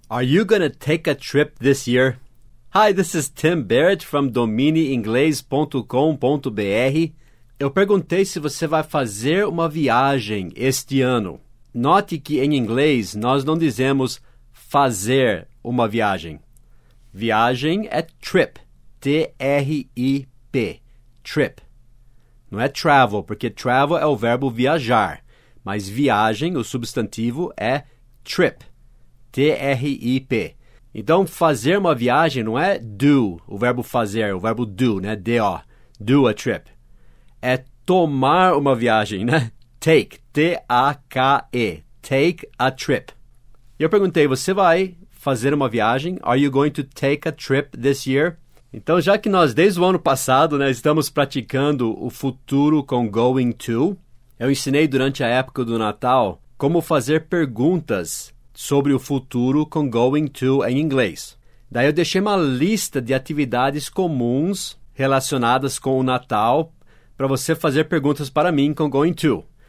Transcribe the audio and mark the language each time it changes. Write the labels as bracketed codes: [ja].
[en] Are you going to take a trip this year? Hi, this is Tim Barrett from domineinglês.com.br. [pt] Eu perguntei se você vai fazer uma viagem este ano. Note que em inglês nós não dizemos fazer uma viagem. Viagem é trip, T-R-I-P, trip. Não é travel, porque travel é o verbo viajar, mas viagem, o substantivo, é trip. T-R-I-P. Então, fazer uma viagem não é do, o verbo fazer, o verbo do, né? D-O. Do a trip. É tomar uma viagem, né? Take. [en] T-A-K-E. Take a trip. [pt] E eu perguntei, você vai fazer uma viagem? [en] Are you going to take a trip this year? [pt] Então, já que nós, desde o ano passado, né, estamos praticando o futuro com going to, eu ensinei durante a época do Natal como fazer perguntas sobre o futuro com going to em inglês. Daí eu deixei uma lista de atividades comuns relacionadas com o Natal para você fazer perguntas para mim com going to.